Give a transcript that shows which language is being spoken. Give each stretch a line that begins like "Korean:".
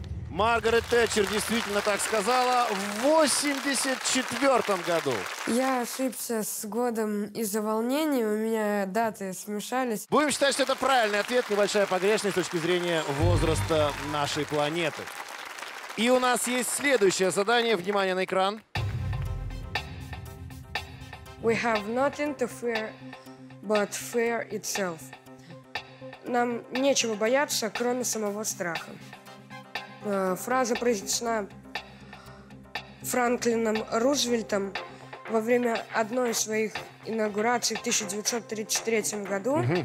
Russian: Мы Маргарет Тэтчер действительно так сказала в 1984 году. Я ошибся с годом из-за волнения, у меня даты смешались. Будем считать, что это правильный ответ, небольшая погрешность с точки зрения возраста нашей планеты. И у нас есть следующее задание. Внимание на экран.
English: We have nothing to fear, but fear itself.
Russian: Нам нечего бояться, кроме самого страха. Фраза произнесена Франклином Рузвельтом во время одной из своих инаугураций в 1933 году.